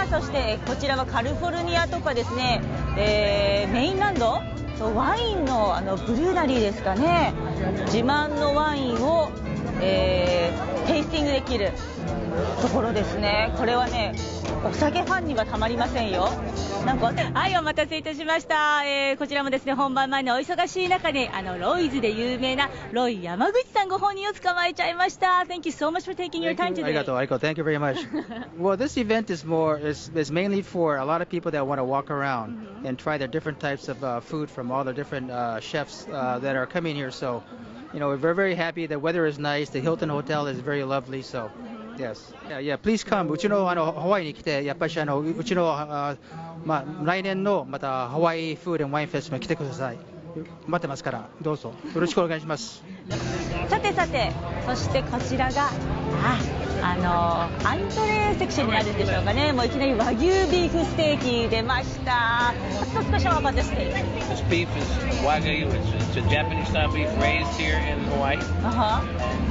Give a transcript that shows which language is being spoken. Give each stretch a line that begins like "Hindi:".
Japanese: さあ、そしてこちらはカリフォルニアとかですね、メインランド、そう、ワイン のブルーナリーですかね、自慢のワインを、テイスティングできるところですね。これはね、お酒ファンにはたまりませんよ。なんか、はい、お待たせいたしました。こちらもですね、本番前のお忙しい中に、ロイズで有名なロイ山口さんご本人を捕まえちゃいました。
English: Thank you so much for taking your time today.
Japanese: ありがとう、
English: アイコ。Thank you very much. Well, this event is more is mainly for a lot of people that want to walk around and try their different types of food from all the different chefs that are coming here. So, you know, we're very, very happy. The weather is nice. The Hilton Hotel is very lovely. So. Yes. Yeah, yeah. Please come.
Japanese: うちのハワイに来て、やっぱりうちの、まあ、来年のまたハワイフードワインフェスも来てください。待ってますから、どうぞよろしくお願いします。さてさて、そしてこちらが、アントレーセクションになるんでしょうかね。もういきなり和牛ビーフステーキ出ました。少しお待たせして。
English: This beef is wagyu. It's a Japanese style beef raised here in Hawaii.